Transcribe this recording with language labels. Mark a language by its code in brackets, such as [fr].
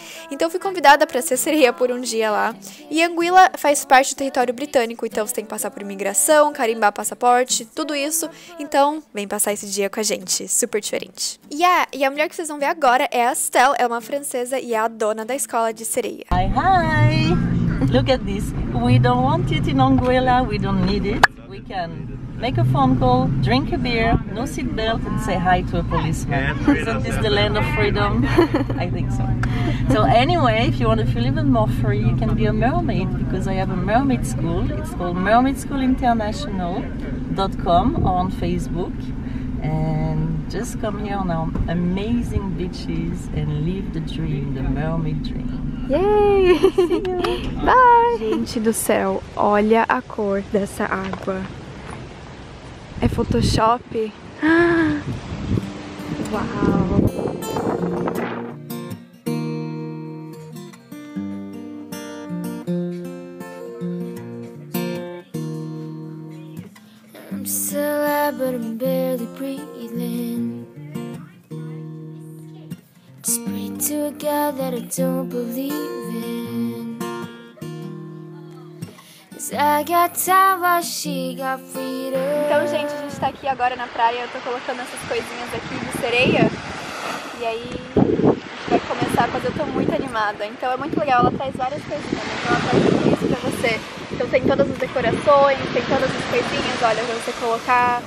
[pt] Então eu fui convidada pra ser sereia por um dia lá. E Anguilla faz parte do território britânico, então você tem que passar por imigração, carimbo, passaporte, tudo isso. Então, vem passar esse dia com a gente. Super diferente. E a mulher que vocês vão ver agora é a Estelle. É uma francesa e é a dona da escola de sereia. [en] Hi, hi! Look at this. We don't want it in Anguilla. We don't need it. We can make a phone call, drink a beer, no seat belt and say hi to a policeman. Isn't this the land of freedom? I think so. So anyway, if you want to feel even more free, you can be a mermaid because I have a mermaid school. It's called mermaidschoolinternational.com or on Facebook. And just come here on our amazing beaches and live the dream, the mermaid dream. Yay! See you! Bye! [pt] Gente do céu, olha a cor dessa água. É Photoshop? Ah, uau! [en] I'm still alive, but I'm barely breathing. Just pray to a God that I don't believe in. 'Cause I got time while she got freedom. [pt] Então, gente, a gente tá aqui agora na praia. Eu tô colocando essas coisinhas aqui de sereia. E aí a gente vai começar, mas eu tô muito animada. Então é muito legal, ela traz várias coisinhas, né? Então ela traz tudo isso pra você. Então tem todas as decorações, tem todas as coisinhas, olha, pra você colocar.